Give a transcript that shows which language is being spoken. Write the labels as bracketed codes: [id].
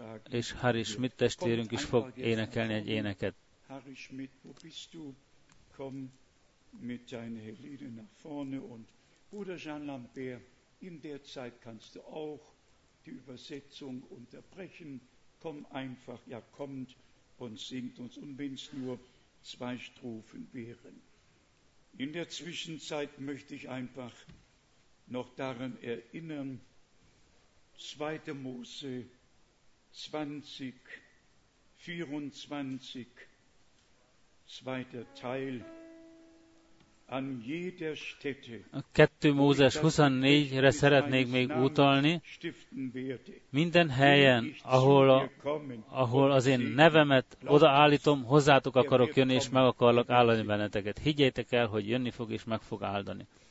[hu] És Harry Schmidt testvérünk is fog énekelni egy éneket. [de] Harry Schmidt, wo bist du? Komm mit deinen Helene nach vorne und Bruder Jean Lambert, in der Zeit kannst du auch die Übersetzung unterbrechen. Komm einfach, ja kommt und singt uns, und wenn es nur zwei Strophen wären. In der Zwischenzeit möchte ich einfach noch daran erinnern, 2. Mose 20, 24, zweiter Teil, an jeder Stätte. [hu] A 2. Mózes 24-re szeretnék még utalni. Minden helyen, ahol az én nevemet odaállítom, hozzátok akarok jönni, és meg akarlak áldani benneteket. Higgyétek el, hogy jönni fog, és meg fog áldani.